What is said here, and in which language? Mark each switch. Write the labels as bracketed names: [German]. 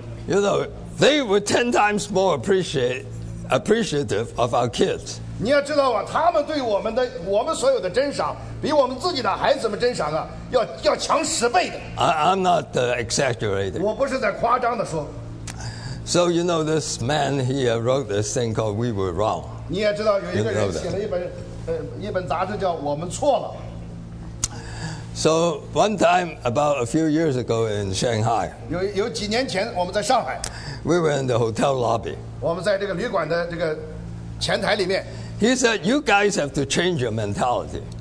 [English] You know, they were 10 times more appreciative of our kids. [Chinese] 你要知道啊，他们对我们所有的珍赏，比我们自己的孩子们珍赏啊，要强10倍的。 [English] I'm not exaggerating. [Chinese] 我不是在夸张的说。 [English] So you know, this man here wrote this thing called "We Were Wrong." [Chinese] 你也知道有一个人写了一本杂志叫《我们错了》。 [English] So one time about a few years ago in Shanghai, [Chinese] 有几年前我们在上海。 [English] We were in the hotel lobby. [Chinese] 我们在这个旅馆的这个前台里面。 [English] He said, "You guys have to change your mentality."